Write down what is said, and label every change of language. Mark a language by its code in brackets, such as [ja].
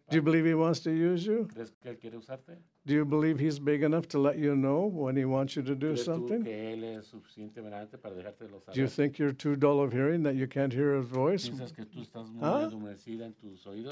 [en] Do you believe he wants to use you? [es] ¿Crees que él quiere usarte? [en] Do you believe he's big enough to let you know when he wants you to do [es] ¿crees [en] something? [es] Tú que él es suficientemente grande para dejarte lo saber? [en] Do you think you're too dull of hearing that you can't hear his voice? [es] ¿Piensas que tú estás muy endurecida en tus oídos?